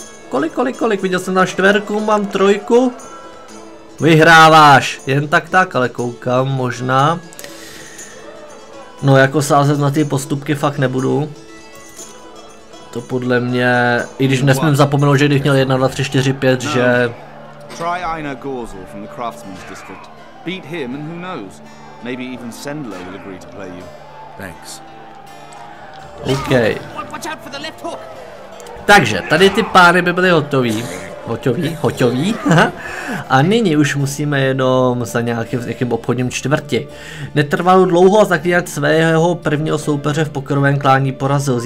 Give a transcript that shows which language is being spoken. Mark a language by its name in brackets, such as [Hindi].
[Czech] Kolik? Viděl jsem na čtverku, mám trojku. Vyhráváš. Jen tak, ale koukám, možná. No jako sázet na ty postupky fakt nebudu. To podle mě, i když nesmím zapomenout, že kdybych měl 1, 2, 3, 4, 5, že... [English] Try Einar Gorzel from the Craftsman's District. Beat him and who knows. Maybe even Sendler will agree to play you. Thanks. OK. [Czech] Takže, tady ty pány by byly hotový. Hoťový. A nyní už musíme jenom za nějakým obchodním čtvrti. Netrvalo dlouho a zaklínač svého prvního soupeře v pokrovém klání porazil.